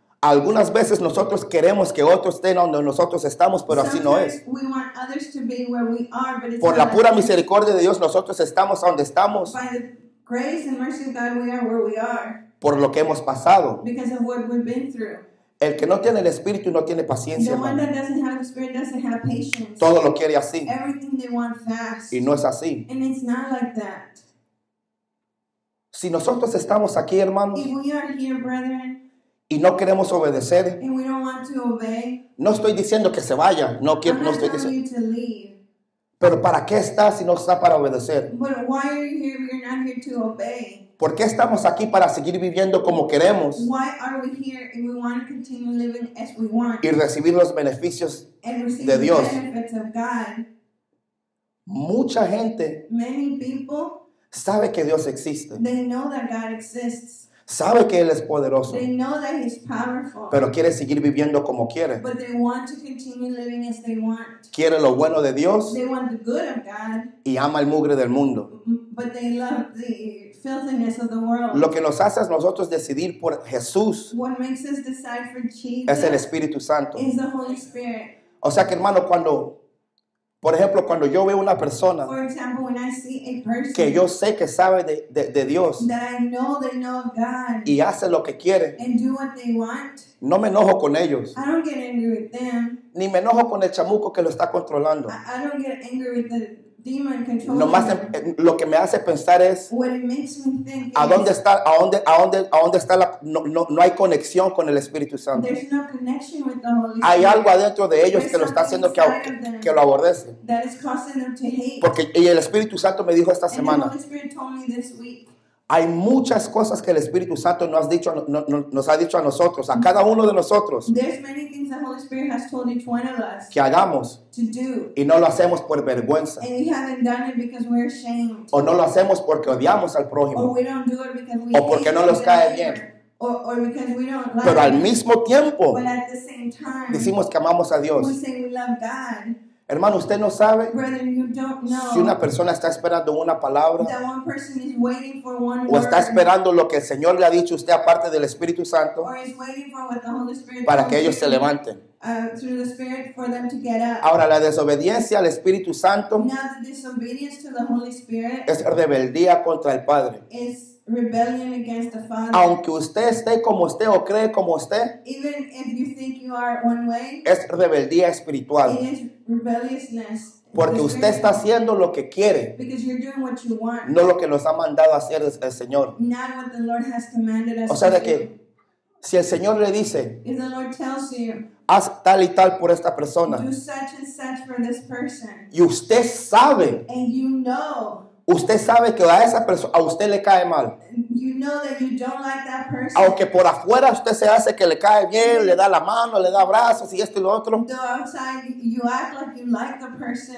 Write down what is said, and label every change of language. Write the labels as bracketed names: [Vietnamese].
[Spanish] Algunas veces nosotros queremos que otros estén donde nosotros estamos, pero así no es. [English] We want others to be where we are, but it's [Spanish] por la pura [English] others. [Spanish] Misericordia de Dios, nosotros estamos donde estamos. [English] By the grace and mercy of God, we are where we are. [Spanish] Por lo que hemos pasado. [English] Because of what we've been through. [Spanish] El que no tiene el Espíritu no tiene paciencia. [English] The one that doesn't have the Spirit doesn't have patience. [Spanish] Todo lo quiere así. [English] Everything they want fast. [Spanish] Y no es así. [English] And it's not like that. [Spanish] Si nosotros estamos aquí, hermanos, [English] if we are here, brethren, [Spanish] y no queremos obedecer, [English] and we don't want to obey, [Spanish] no estoy diciendo que se vaya, no quiero, no estoy diciendo. Pero ¿para qué está si no está para obedecer? [English] But why are you here if you're not here to obey? [Spanish] ¿Por qué estamos aquí para seguir viviendo como queremos? [English] Why are we here if we want to continue living as we want? [Spanish] Y recibir los beneficios de Dios. [English] And receive the benefits of God. [Spanish] Mucha gente, [English] many people, [Spanish] sabe que Dios existe. [English] They know that God exists. [Spanish] Sabe que Él es poderoso. [English] They know that He's powerful. [Spanish] Pero quiere seguir viviendo como quiere. [English] But they want to continue living as they want. [Spanish] Quiere lo bueno de Dios. [English] They want the good of God. [Spanish] Y ama el mugre del mundo. [English] But they love the filthiness of the world. [Spanish] Lo que nos hace a nosotros decidir por Jesús. [English] What makes us decide for Jesus. [Spanish] Es el Espíritu Santo. [English] Is the Holy Spirit. [Spanish] O sea que, hermano, cuando... Por ejemplo, cuando yo veo una persona, [English] for example, when I see a person [Spanish] que yo sé que sabe de Dios, [English] that I know they know of God, [Spanish] y hace lo que quiere, [English] and do what they want, [Spanish] no me enojo con ellos. [English] I don't get angry with them. [Spanish] Ni me enojo con el chamuco que lo está controlando. [English] I don't get angry with the demon controlling. [Spanish] Nomás [English] them. [Spanish] Lo que me hace pensar es, [English] what it makes me think, [Spanish] ¿a dónde está? ¿A dónde está la? No hay conexión con el Espíritu Santo. [English] There's no connection with the Holy Spirit. [Spanish] Hay algo adentro de ellos que lo está haciendo que lo aborrece. [English] That is causing them to hate. [Spanish] Porque y el Espíritu Santo me dijo esta semana. [English] And the Holy Spirit told me this week. [Spanish] Hay muchas cosas que el Espíritu Santo nos ha dicho, nos ha dicho a nosotros, a cada uno de nosotros. [English] There's many things the Holy Spirit has told each one of us. [Spanish] Que hagamos. [English] To do. [Spanish] Y no lo hacemos por vergüenza. [English] And we haven't done it because we're ashamed. [Spanish] O no lo hacemos porque odiamos al prójimo. [English] Or we don't do it because we hate. [Spanish] O porque no nos cae bien. [English] Or because we don't like. [Spanish] Pero al mismo tiempo. [English] But at the same time. [Spanish] Decimos que amamos a Dios. [English] We say we love God. [Spanish] Hermano, usted no sabe, [English] brother, you don't know, [Spanish] si una persona está esperando una palabra, [English] that one person is waiting for one [Spanish] o [English] word, [Spanish] está esperando lo que el Señor le ha dicho usted aparte del Espíritu Santo, [English] or is waiting for what the Holy Spirit [Spanish] para que ellos se levanten. [English] Through the Spirit for them to get up. [Spanish] Ahora, la desobediencia al Espíritu Santo, [English] now, the disobedience to the Holy Spirit, [Spanish] es rebeldía contra el Padre. [English] Is rebellion against the Father. [Spanish] Aunque usted esté como esté o cree como esté, [English] even if you think you are one way, [Spanish] es rebeldía espiritual. [English] It is rebelliousness. [Spanish] Porque usted está haciendo lo que quiere, [English] because you're doing what you want, [Spanish] no lo que nos ha mandado hacer el Señor. [English] Not what the Lord has commanded us. [Spanish] O sea, de que si el Señor le dice, [English] if the Lord tells you, [Spanish] haz tal y tal por esta persona, [English] do such and such for this person, [Spanish] y usted sabe, [English] and you know, [Spanish] usted sabe que a esa persona, a usted le cae mal. [English] You know that you don't like that person. [Spanish] Aunque por afuera usted se hace que le cae bien, le da la mano, le da abrazos y esto y lo otro. [English] Though outside you act like you like the person.